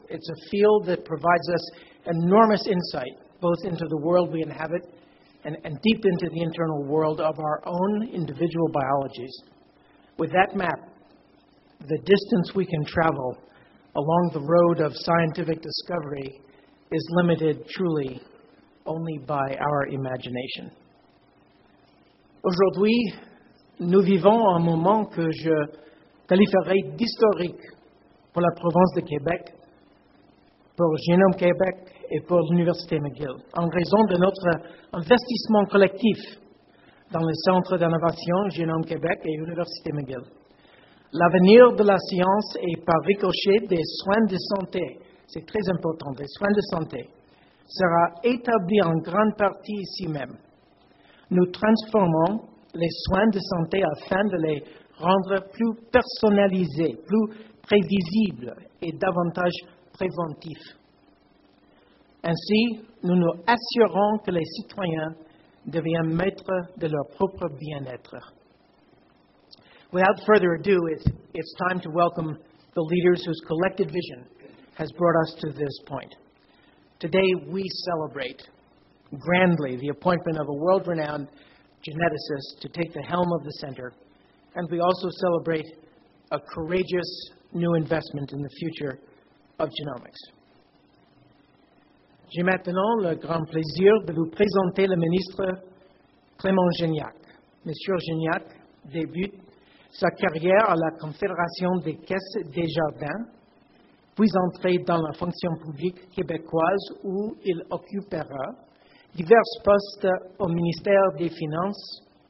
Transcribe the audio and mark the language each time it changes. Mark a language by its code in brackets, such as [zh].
[en] It's a field that provides us enormous insight, both into the world we inhabit and deep into the internal world of our own individual biologies. With that map, the distance we can travel along the road of scientific discovery is limited, truly, only by our imagination. [fr] Aujourd'hui, nous vivons un moment que je qualifierais d'historique pour la province de Québec, pour Génome Québec et pour l'Université McGill, en raison de notre investissement collectif dans les centres d'innovation Génome Québec et l'Université McGill. L'avenir de la science est par ricochet des soins de santé. C'est très important, des soins de santé. Sera établi en grande partie ici même. Nous transformons les soins de santé afin de les rendre plus personnalisés, plus prévisibles et davantage préventifs. Ainsi, nous nous assurons que les citoyens deviennent maîtres de leur propre bien-être. [en] Without further ado, it's time to welcome the leaders whose collected vision has brought us to this point. Today, we celebrate grandly the appointment of a world-renowned geneticist to take the helm of the center, and we also celebrate a courageous new investment in the future of genomics. [fr] J'ai maintenant le grand plaisir de vous présenter le ministre Clément Gignac. Monsieur Gignac débute sa carrière à la Confédération des caisses des jardins, puis entrer dans la fonction publique québécoise où il occupera divers postes au ministère des Finances.